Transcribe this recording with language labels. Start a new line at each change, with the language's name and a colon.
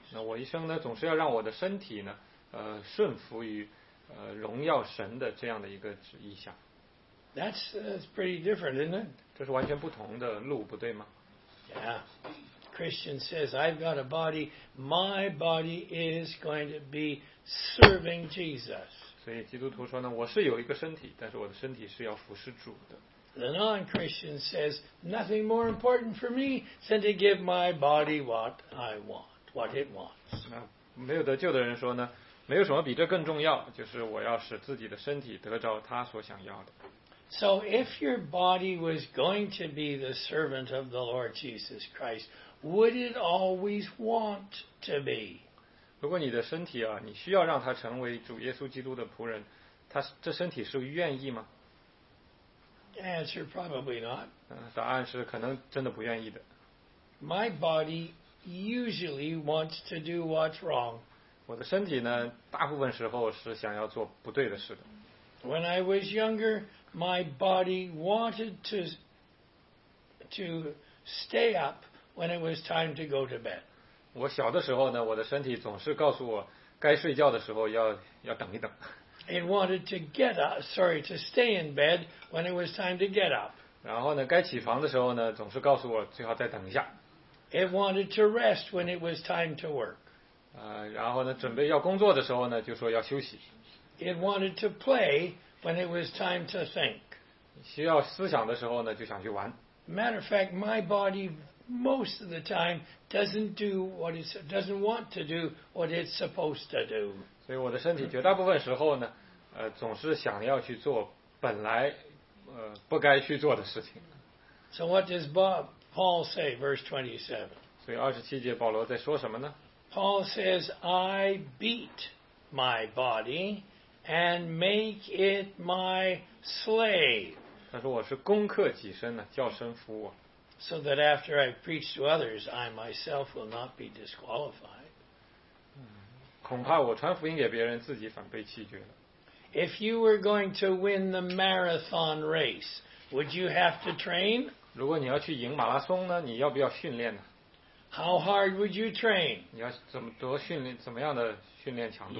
Chinese: 那我一生呢，总是要让我的身体呢，顺服于，荣耀神的这样的一个旨意下。
English: That's pretty different, isn't it?
Chinese: 这是完全不同的路，不对吗？
English: Yeah. Christian says, I've got a body. My body is going to be serving Jesus.
Chinese: 所以基督徒说呢，我是有一个身体，但是我的身体是要服侍主的。
English: The non-Christian says, nothing more important for me than to give my body what I want, what it wants.
Chinese: 那没有得救的人说呢，没有什么比这更重要，就是我要使自己的身体得着他所想要的。
English: So if your body was going to be the servant of the Lord Jesus Christ, would it always want to be?
Chinese: 如果你的身体啊，你需要让它成为主耶稣基督的仆人，它这身体是愿意吗？
English: Answer, probably not.
Chinese: 答案是可能真的不愿意的。
English: My body usually wants to do what's wrong.
Chinese: 我的身体呢，大部分时候是想要做不对的事的。
English: When I was younger, my body wanted to stay up when it was time to go to bed.
Chinese: 我小的时候呢，我的身体总是告诉我，该睡觉的时候要等一等。
English: It wanted to get up, sorry, to stay in bed when it was time to get up.
Chinese: 然后呢，该起床的时候呢，总是告诉我最好再等一下。
English: It wanted to rest when it was time to work.
Chinese: 然后呢，准备要工作的时候呢，就说要休息。
English: It wanted to play when it was time to think.
Chinese: 需要思想的时候呢，就想去玩。
English: Matter of fact, my body most of the time doesn't want to do what it's supposed to do.
Chinese: 所以我的身体绝大部分时候呢，总是想要去做本来不该去做的事情。
English: So what does Paul say, verse 27?
Chinese: 所以二十七节保罗在说什么呢？
English: Paul says, I beat my body. And make it my slave.
Chinese: 他说我是攻克己身呢，叫身服我。
English: So that after I preach to others, I myself will not be disqualified.
Chinese: 恐怕我传福音给别人，自己反被弃绝了。
English: If you were going to win the marathon race, would you have to train?
Chinese: 如果你要去赢马拉松呢，你要不要训练呢？
English: How hard would you train?
Chinese: 你要怎么多训练，怎么样的训练强度？